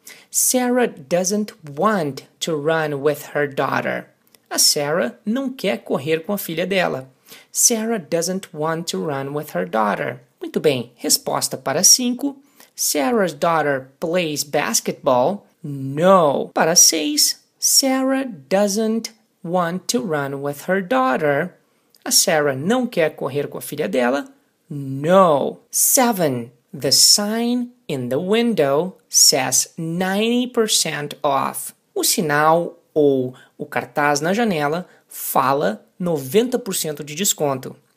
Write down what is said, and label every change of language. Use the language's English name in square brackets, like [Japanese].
[English] Sarah doesn't want to run with her daughter. [Portuguese] A Sarah não quer correr com a filha dela. [English] Sarah doesn't want to run with her daughter. [Portuguese] Muito bem, resposta para 5. [English] Sarah's daughter plays basketball. No. [Portuguese] Para 6. [English] Sarah doesn't want to run with her daughter. [Portuguese] A Sarah não quer correr com a filha dela. No. 7. [English] The sign in the window says 90% off. [Portuguese] O sinal ou o cartaz na janela fala 90% de desconto.